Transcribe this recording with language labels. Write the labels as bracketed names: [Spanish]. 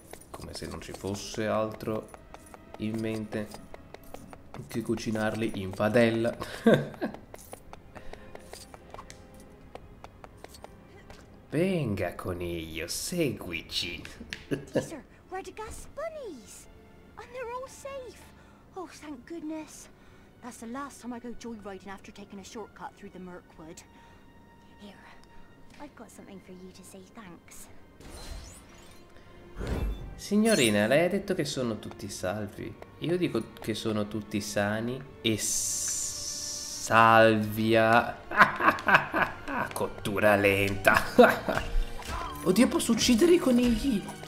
[Italian] Come se non ci fosse altro in mente che cucinarli in padella. Venga coniglio, seguici. [English] Sir, Radagast bunnies. And they're all safe. Oh, thank goodness. That's the last time I go joyriding after taking a shortcut through the Mirkwood. Here, I've got something for you to say thanks. [Italian] Signorina, lei ha detto che sono tutti salvi. Io dico che sono tutti sani e salvia. Cottura lenta. Oddio, posso uccidere i conigli.